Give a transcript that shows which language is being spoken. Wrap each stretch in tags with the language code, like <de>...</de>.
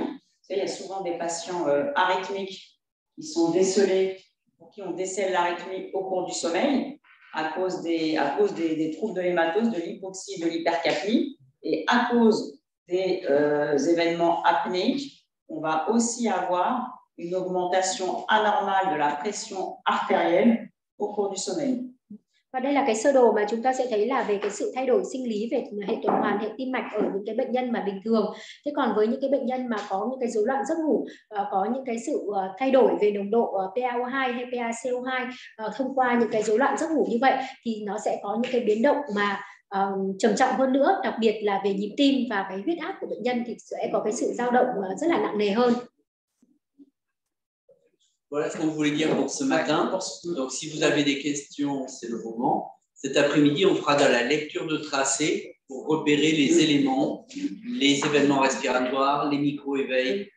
<fr>Vous savez, il y a souvent des patients arythmiques qui sont décelés, pour qui on décèle l'arythmie au cours du sommeil à cause des troubles de l'hématose, de l'hypoxie, de l'hypercapnie. Et à cause des événements apnéiques, on va aussi avoir une augmentation anormale de la pression artérielle au cours du sommeil.</fr> <vi>Và đây là cái sơ đồ mà chúng ta sẽ thấy là về cái sự thay đổi sinh lý về hệ tuần hoàn, hệ tim mạch ở những cái bệnh nhân mà bình thường. Thế còn với những cái bệnh nhân mà có những cái rối loạn giấc ngủ, có những cái sự thay đổi về nồng độ PaO2 hay PaCO2 thông qua những cái rối loạn giấc ngủ như vậy thì nó sẽ có những cái biến động mà trầm trọng hơn nữa, đặc biệt là về nhịp tim và cái huyết áp của bệnh nhân thì sẽ có cái sự dao động rất là nặng nề hơn.</vi> <fr>Voilà ce qu'on voulait dire pour ce matin. Donc, si vous avez des questions, c'est le moment. Cet après-midi, on fera de la lecture de tracé pour repérer les éléments, les événements respiratoires, les micro-éveils.</fr>